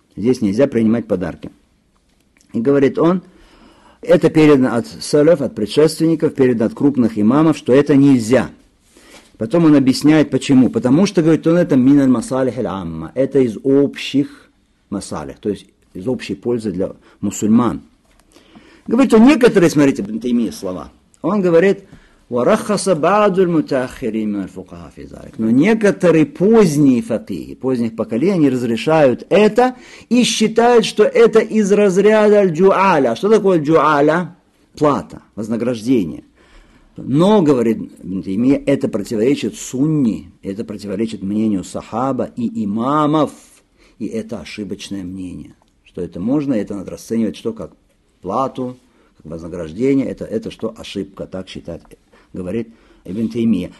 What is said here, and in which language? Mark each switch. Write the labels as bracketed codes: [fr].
[ru] Здесь нельзя принимать подарки. И говорит он, это передано от салаф, от предшественников, передано от крупных имамов, что это нельзя. Потом он объясняет, почему. Потому что, говорит он, это миналь масалих аль-амма. Это из общих масалих, то есть из общей пользы для мусульман. Говорит он, некоторые, смотрите, это имеет слова. Он говорит, [ar] ورخص بعض المتأخرين من الفقهاء في ذلك. [ru] Но некоторые поздние фатихи, поздних поколений разрешают это и считают, что это из разряда аль-джу'аля. Что такое аль-джу'аля? Плата, вознаграждение. Но, говорит, это противоречит сунне, это противоречит мнению сахаба и имамов, и это ошибочное мнение, что это можно, это надо расценивать что как плату, как вознаграждение, это что ошибка, так считает, говорит Ибн Таймия.